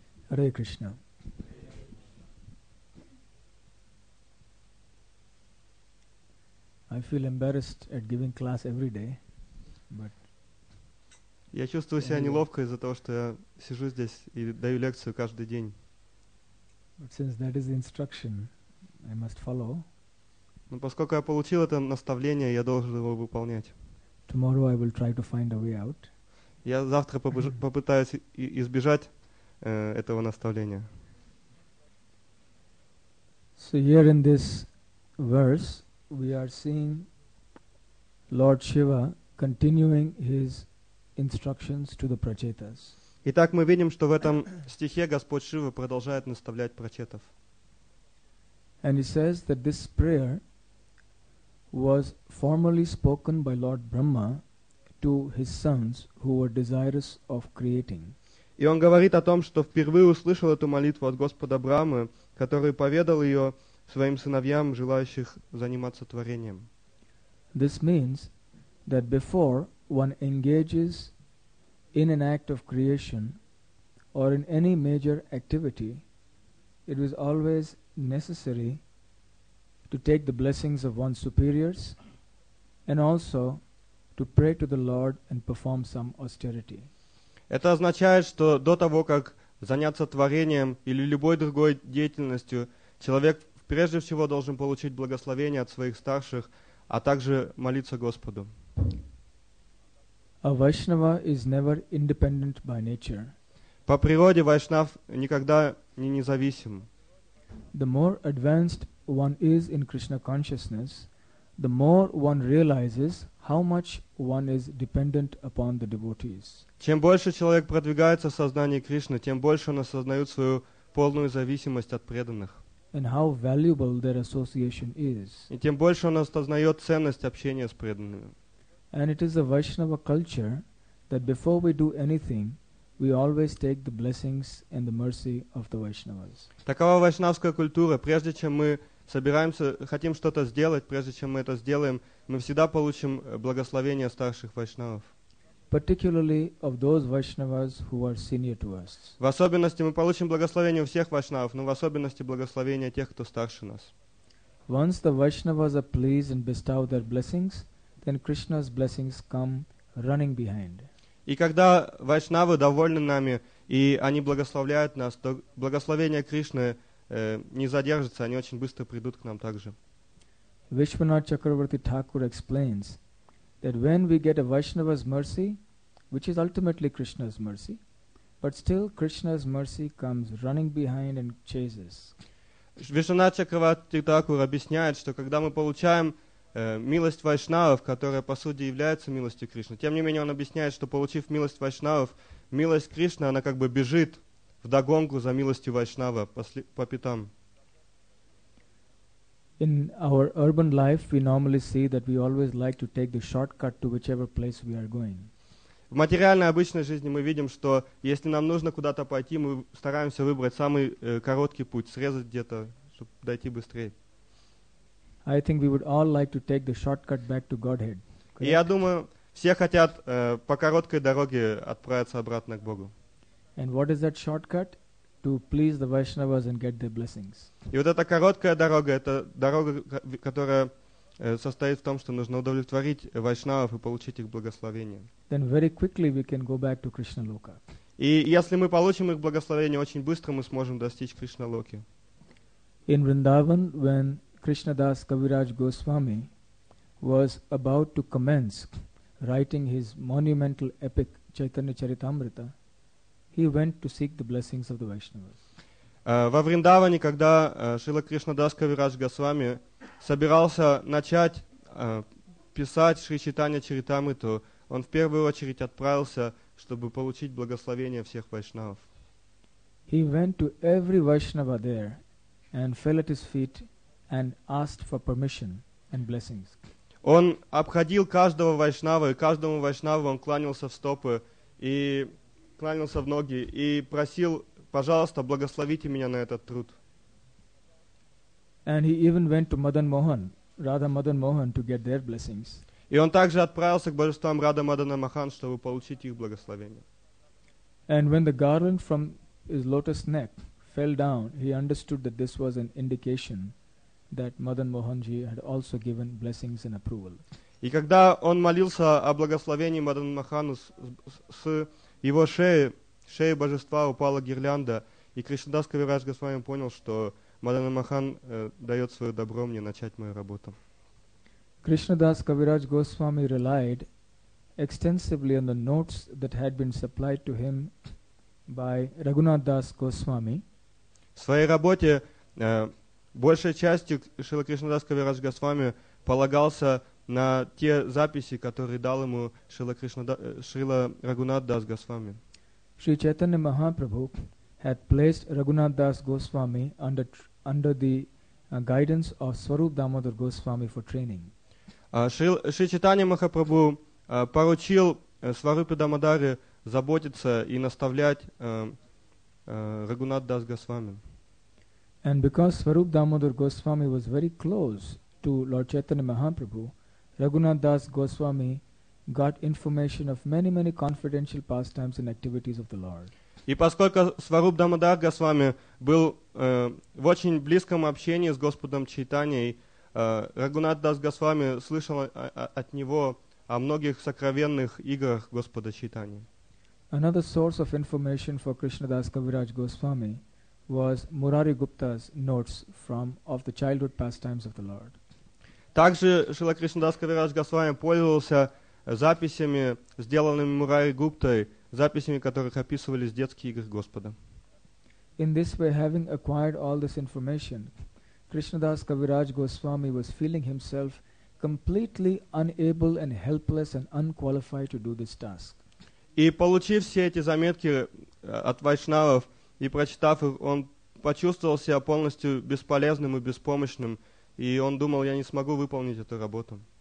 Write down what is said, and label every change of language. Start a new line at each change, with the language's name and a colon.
English: Hare Krishna I feel embarrassed at giving class every day but
Russian: Я чувствую себя неловко из-за того, что я сижу здесь и даю лекцию каждый день.
English: Since that is the instruction, I must follow.
Russian: Но поскольку я получил это наставление, я должен его выполнять.
English: Tomorrow I will try to find a way out.
Russian: Я завтра попытаюсь избежать этого наставления.
English: So here in this verse, we are seeing Lord Shiva continuing his instructions to the prachetas.
Russian: Итак, мы видим, что в этом стихе Господь Шива продолжает наставлять прачетов.
English: And he says that this prayer was formerly spoken by Lord Brahma to his sons who were desirous of creating.
Russian: И он говорит о том, что впервые услышал эту молитву от Господа Брахмы, который поведал ее своим сыновьям, желающих заниматься творением.
English: This means that before one engages in an act of creation or in any major activity, it was always necessary to take the blessings of one's superiors and also to pray to the Lord and perform some austerity.
Russian: Это означает, что до того, как заняться творением или любой другой деятельностью, человек прежде всего должен получить благословение от своих старших, а также молиться Господу.
English: A Vaishnava is never independent by nature.
Russian: По природе Вайшнав никогда не независим.
English: The more advanced one is in Krishna consciousness, the more one realizes how much one is dependent upon the devotees.
Russian: Чем больше человек продвигается в сознании Кришны, тем больше он осознает свою полную зависимость от преданных.
English: And how valuable their association is.
Russian: И тем больше он осознает ценность общения с преданными.
English: And it is a Vaishnava culture that before we do anything, we always take the blessings and the mercy of the Vaishnavas.
Russian: Такова вайшнавская культура. Прежде чем мы собираемся, хотим что-то сделать, прежде чем мы это сделаем, мы всегда получим благословение старших вайшнавов.
English: Particularly of those Vaishnavas who are senior to us.
Russian: В особенности мы получим благословение у всех вайшнавов, но в особенности благословение тех, кто старше нас.
English: Once the Vaishnavas are pleased and bestow their blessings, then Krishna's blessings come running behind.
Russian: И когда вайшнавы довольны нами, и они благословляют нас, то благословение Кришны не задержится, они очень быстро придут к нам также.
English: Вишванатха Чакраварти Тхакур explains that when we get a Vaishnava's mercy, which is ultimately Krishna's mercy, but still Krishna's mercy comes running behind and chases.
Russian: Вишванатха Чакраварти Тхакур объясняет, что когда мы получаем милость вайшнавов, которая по сути является милостью Кришны, тем не менее он объясняет, что получив милость вайшнавов, милость Кришны, она как бы бежит вдогонку за милостью вайшнава по пятам.
English: In our urban life, we normally see that we always like to take the shortcut to whichever place we are going.
Russian: В материальной обычной жизни мы видим, что если нам нужно куда-то пойти, мы стараемся выбрать самый короткий путь, срезать где-то, чтобы дойти быстрее.
English: I think we would all like to take the shortcut back to Godhead.
Russian: И я думаю, все хотят по короткой дороге отправиться обратно к Богу.
English: And what is that shortcut? To please the Vaishnavas and get their blessings.
Russian: И вот эта короткая дорога, это дорога, которая состоит в том, что нужно удовлетворить вайшнавов и получить их благословение.
English: Then very quickly we can go back to Krishna Loka.
Russian: И если мы получим их благословение, очень быстро мы сможем достичь Кришна Локи.
English: In Vrindavan, when Krishna Das Kaviraj Goswami was about to commence writing his monumental epic Chaitanya Charitamrita, he went to seek the blessings of the Vaishnavas.
Russian: Во Вриндаване, когда Шрила Кришна Дас Кавирадж Госвами собирался начать писать Шри Чайтанья Чаритамриту, он в первую очередь отправился, чтобы получить благословение всех вайшнавов.
English: He went to every Vaishnava there and fell at his feet and asked for permission and blessings.
Russian: Он обходил каждого вайшнава, и каждому вайшнаву он кланялся в стопы и кланялся в ноги и просил: пожалуйста, благословите меня на этот труд.
English: And he even went to Madan Mohan, Radha Madan Mohan, to get their blessings.
Russian: И он также отправился к божествам Радха Мадана Махан, чтобы получить их благословение.
English: And when the garland from his lotus neck fell down, he understood that this was an indication that Madan Mohanji had also given blessings and approval.
Russian: И когда он молился о благословении Мадан Махану с его шея божества упала гирлянда, и Кришнадас Кавирадж Госвами понял, что Мадана Махан дает свое добро мне начать мою работу.
English: Кришнадас Кавирадж Госвами relied extensively on the notes that had been supplied to him by Raghunath Das Goswami.
Russian: В своей работе большей частью Шрила Кришнадас Кавирадж Госвами полагался на те записи, которые дал ему Шрила Рагунат Дас Госвами.
English: Шри Чайтанья Махапрабху had placed Рагунат Дас Госвами under the guidance of Сваруп Дамодар Госвами for training.
Russian: Шри Чайтанья Махапрабху поручил Сварупе Дамодаре заботиться и наставлять Рагунат Дас Госвами.
English: And because Сваруп Дамодар Госвами was very close to Lord Chaitanya Mahaprabhu, Raghunath Das Goswami got information of many, many confidential pastimes and activities of the Lord.
Russian: И поскольку Сваруп Дамодар Госвами был в очень близком общении с Господом Чайтаньей, Рагунат Дас Госвами слышал от него о многих сокровенных играх Господа Чайтаньи.
English: Another source of information for Krishna Das Kaviraj Goswami was Murari Gupta's notes of the childhood pastimes of the Lord.
Russian: Также Шрила Кришнадас Кавирадж Госвами пользовался записями, сделанными Мурари Гуптой, записями, которых описывались детские игры Господа.
English: In this way, having acquired all this information, Кришнадас Кавирадж Госвами was feeling himself completely unable and helpless and unqualified to do this task.
Russian: И получив все эти заметки от вайшнавов и прочитав их, он почувствовал себя полностью бесполезным и беспомощным. И он думал, я не смогу выполнить эту работу.